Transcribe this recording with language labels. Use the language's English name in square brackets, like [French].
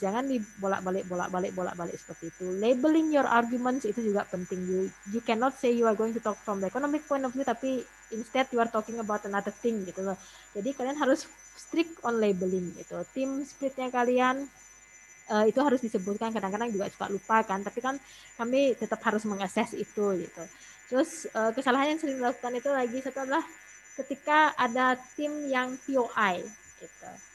[Indonesian] Jangan dibolak-balik seperti itu. Labeling your arguments itu juga penting. [English] You cannot say you are going to talk from the economic point of view tapi instead you are talking about another thing [Indonesian] gitu loh. Jadi kalian harus [English] strict on labeling [Indonesian] gitu. Team spiritnya kalian itu harus disebutkan, kadang-kadang juga suka lupa kan, tapi kan kami tetap harus mengakses itu gitu. Terus kesalahan yang sering dilakukan itu lagi satu adalah ketika ada tim yang POI gitu.